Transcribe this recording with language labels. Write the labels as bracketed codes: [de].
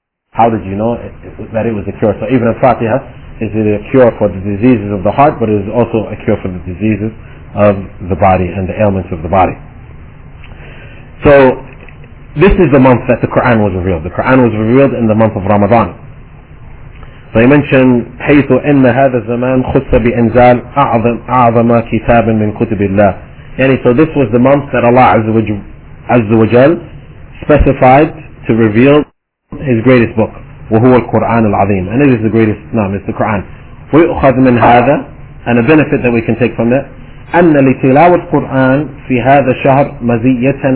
[en] How did you know that it was a cure? So even al-Fatiha is it a cure for the diseases of the heart, but it is also a cure for the diseases of the body and the ailments of the body. So this is the month that the Quran was revealed. The Quran was revealed in the month of Ramadan. So he mentioned, [ar] حَيْثُ إِنَّ هَذَا الزَّمَانْ خُصَّ بِإِنْزَالْ أَعْظَمَ كِتَابٍ مِّنْ كُتِبِ اللَّهِ. [en] Yani, so this was the month that Allah Azza wa Jal specified to reveal His greatest book, [ar] وَهُوَ الْقُرْآنُ الْعَظِيمُ. [en] And it is the greatest, it's the Quran. [ar] وَيُؤْخَذْ مِنْ هَذَا, [en] and a benefit that we can take from that, [ar] أن لتلاوة القرآن في هذا الشهر مزية